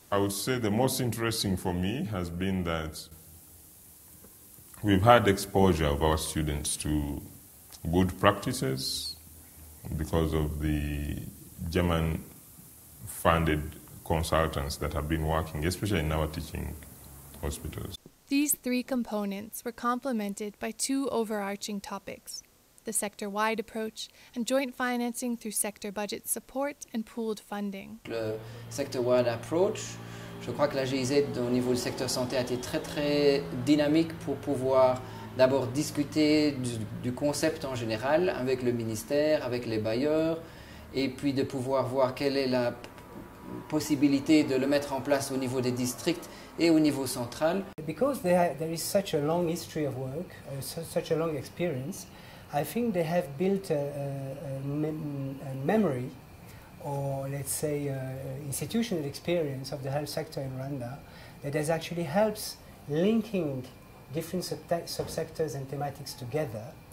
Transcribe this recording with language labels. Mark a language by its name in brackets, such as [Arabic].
[English] I would say the most interesting for me has been that we've had exposure of our students to good practices because of the German-funded consultants that have been working, especially in our teaching hospitals. These 3 components were complemented by 2 overarching topics: the sector-wide approach and joint financing through sector budget support and pooled funding. [French] Le sector-wide approach, je crois que la GIZ au niveau du secteur santé a été très très dynamique pour pouvoir d'abord discuter du concept en général avec le ministère, avec les bailleurs, et puis de pouvoir voir quelle est la possibilité de le mettre en place au niveau des districts et au niveau central. [English] Because there is such a long history of work, such a long experience, I think they have built a memory, or let's say institutional experience of the health sector in Rwanda that has actually helped linking different subsectors and thematics together.